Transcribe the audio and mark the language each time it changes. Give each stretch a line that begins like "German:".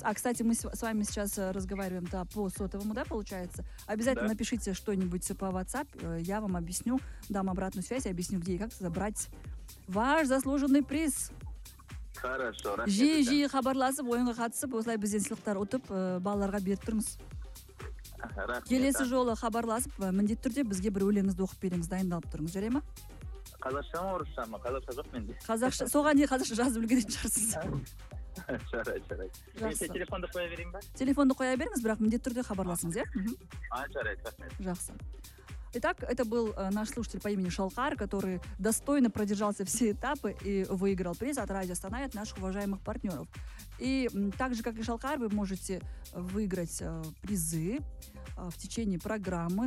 Russian: А, кстати, мы с вами сейчас разговариваем, да, по сотовому, да, получается? Обязательно напишите что-нибудь по WhatsApp, я вам объясню, дам обратную связь, объясню, где и как забрать ваш заслуженный приз. Хорошо,
Kazakh: рахмет. Жи-жи хабарласып, ойынға қатысып, осылай бізден сыйлықтар ұтып, балаларға беріп тұрмыз. Рахмет. Келесі жолы хабарласып, міндетті түрде бізге бір өлеңізді оқып беріңіз, дайындалып тұрыңыз, жарай ма? Қазақша ма, орысша ма? Қазақша жоқ менде. Қазақша, соған не қазақша жазып үлгеретін шығарсыз. Жарай. Мен телефонды қоя берейін ба? Телефонды қоя беріңіз, бірақ міндетті түрде хабарласыңыз, иә? Жарайды, рахмет. Жақсы.
Russian: Итак, это был наш слушатель по имени Шалқар, который достойно продержался все этапы и выиграл приз от Радио Астана, от наших уважаемых партнеров. И так же, как и Шалқар, вы можете выиграть призы в течение программы.